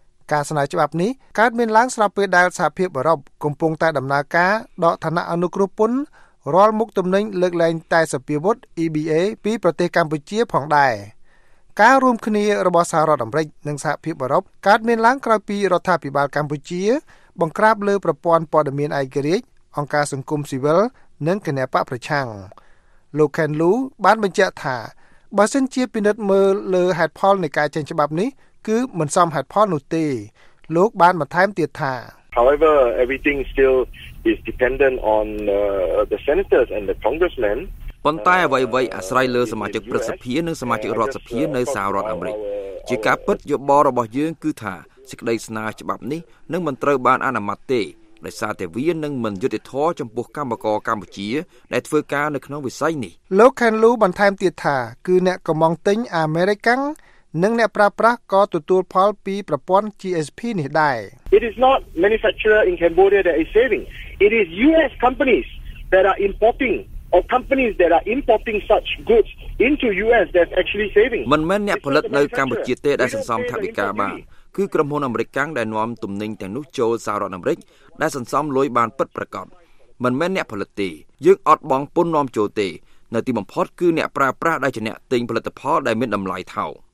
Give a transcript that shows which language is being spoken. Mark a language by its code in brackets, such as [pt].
[km] ការស្នើច្បាប់នេះកើតមានឡើងស្របពេលដែលសហភាពអឺរ៉ុបកំពុងតែដំណើរការដកឋានៈអនុគ្រោះពន្ធរាល់មុខទំនិញលើកលែងតែសព្វាវុធ EBA ពីប្រទេសកម្ពុជាផងដែរការរួមគ្នារបស់សហរដ្ឋអាមេរិកនិងសហភាពអឺរ៉ុបកើតមានឡើងក្រោយពីរដ្ឋាភិបាលកម្ពុជាបង្ក្រាបលើប្រព័ន្ធព័ត៌មានឯករាជ្យអង្គការសង្គមស៊ីវិលនិងគណបកប្រឆាំង លោក Ken Lu បានបញ្ជាក់ថាបើសិនជាពិនិត្យមើលលើហេតុផលនៃការចេញច្បាប់នេះគឺមិនសមហេតុផលនោះទេលោកបានបន្ថែមទៀតថា [en] However everything still is dependent on the senators and the congressmen [km] ប៉ុន្តែអ្វីៗអាស្រ័យលើសមាជិកព្រឹទ្ធសភានិងសមាជិករដ្ឋសភានៅសហរដ្ឋអាមេរិកជាការពិតយោបល់របស់យើងគឺថាសេចក្តីស្នើច្បាប់នេះនឹងមិនត្រូវបានអនុម័តទេ ដោយសារតែវានឹងមិនយុត្តិធម៌ចំពោះកម្មករកម្ពុជាដែលធ្វើការនៅក្នុងវិស័យនេះ លោក Ken Lu បន្ថែមទៀតថាគឺអ្នកកម្មង់ទិញអាមេរិកាំងនិងអ្នកប្រើប្រាស់ក៏ទទួលផលពីប្រព័ន្ធ GSP នេះដែរ [en] It is not manufacturer in Cambodia that is saving it is US companies that are importing or companies that are importing such goods into US that's actually saving [km] មិនមែនអ្នកផលិតនៅកម្ពុជាទេដែលសន្សំថវិកាបានគឺក្រុមហ៊ុនអាមេរិកាំងដែលនាំទំនិញទាំងនោះចូលសារ៉ាត់អាមេរិកដែលសន្សំលុយបានពិតប្រាកដមិនមែនអ្នកផលិតទេយើងអត់បងពុននាំចូលទេនៅទីបំផុតគឺអ្នកប្រើប្រាស់ដែលជាអ្នកទិញផលិតផលដែលមានតម្លៃថោក